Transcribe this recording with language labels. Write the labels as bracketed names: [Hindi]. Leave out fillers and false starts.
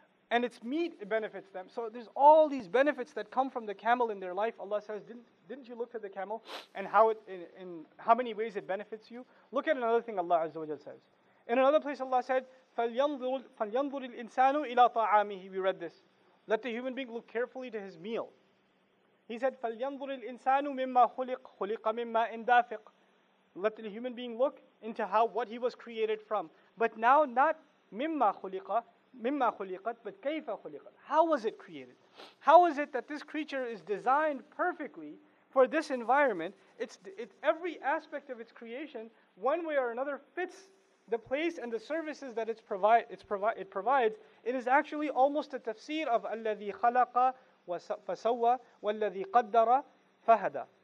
[English] And its meat, it benefits them. So there's all these benefits that come from the camel in their life. Allah says, didn't you look at the camel and how it in how many ways it benefits you? Look at another thing Allah Azza wa Jalla says. In another place Allah said, [Arabic] فَلْيَنْظُرِ الْإِنسَانُ إِلَىٰ طَعَامِهِ. [English] We read this. Let the human being look carefully to his meal. He said, [Arabic] فَلْيَنْظُرِ الْإِنسَانُ مِمَّا خُلِقْ خُلِقَ مِمَّا إِنْدَافِقْ. [English] Let the human being look into how what he was created from. But now not [Arabic] مِمَّا خُلِقَتْ, [English] but [Arabic] كَيْفَ خُلِقَتْ. [English] How was it created? How is it that this creature is designed perfectly for this environment? It's every aspect of its creation, one way or another, fits the place and the services that it provides, it is actually almost a tafsir of [Arabic] الَّذِي خَلَقَ فَسَوَّى وَالَّذِي قَدَّرَ فَهَدَى.